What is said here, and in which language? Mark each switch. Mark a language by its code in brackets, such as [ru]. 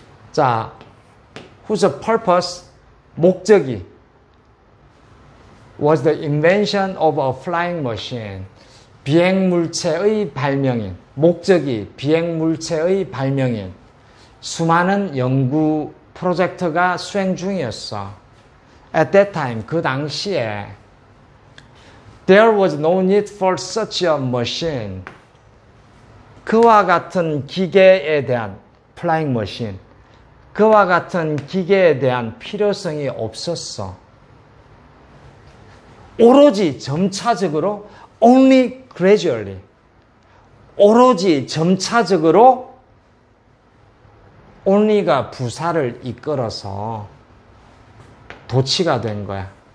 [en] 자, whose purpose, 목적이 was the invention of a flying machine. [ko] 비행물체의 발명인, 목적이 비행물체의 발명인 수많은 연구 프로젝트가 수행 중이었어. [en] At that time, 그 당시에 there was no need for such a machine. [ko] 그와 같은 기계에 대한 flying machine. 그와 같은 기계에 대한 필요성이 없었어. 오로지 점차적으로 only gradually 오로지 점차적으로 only가 부사를 이끌어서 도치가 된 거야.